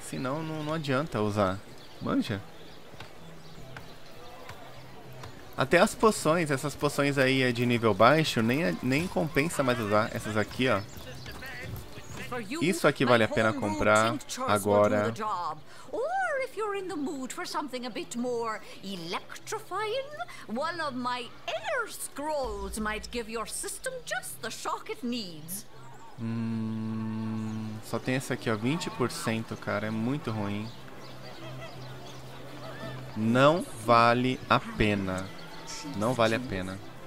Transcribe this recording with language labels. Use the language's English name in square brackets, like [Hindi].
[Portuguese] Senão não adianta usar. Manja. Até as poções, essas poções aí é de nível baixo, nem compensa mais usar essas aqui, ó. Isso aqui vale a pena comprar agora. [English] Or if you're in the mood for something a bit more electrifying, one of my air scrolls might give your system just the shock it needs. [Portuguese] Só tem essa aqui, ó, 20%, cara, é muito ruim. Não vale a pena. Não vale a pena.